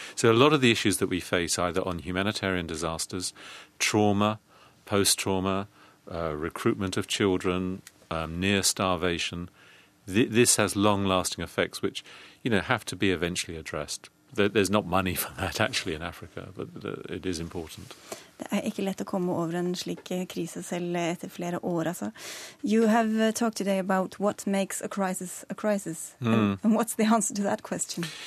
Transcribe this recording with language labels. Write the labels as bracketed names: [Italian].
[English] So a lot of the issues that we face, either on humanitarian disasters, trauma, post-trauma, recruitment of children, near starvation, this has long-lasting effects which, you know, have to be eventually addressed. There's not money for that actually in Africa, but it is important. [Norwegian] Det er ikke lett å komme over en slik krise selv etter flere år, altså. [English] You have talked today about what makes a crisis, and what's the answer to that question?